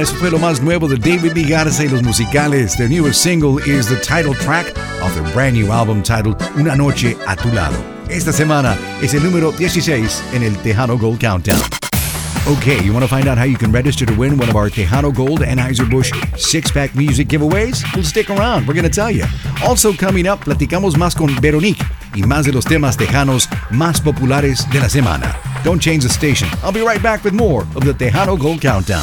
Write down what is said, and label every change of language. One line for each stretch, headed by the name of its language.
Spanish: Eso fue lo más nuevo de David Migarza y Los Musicales.
English: Their newest single is the title track of their brand new album titled Una Noche a Tu Lado.
Spanish: Esta semana es el número 16 en el Tejano Gold Countdown.
English: Okay, you want to find out how you can register to win one of our Tejano Gold Anheuser-Busch six-pack music giveaways? Well, stick around. We're going to tell you. Also coming up,
Spanish: platicamos más con Veronique y más de los temas tejanos más populares de la semana.
English: Don't change the station. I'll be right back with more of the Tejano Gold Countdown.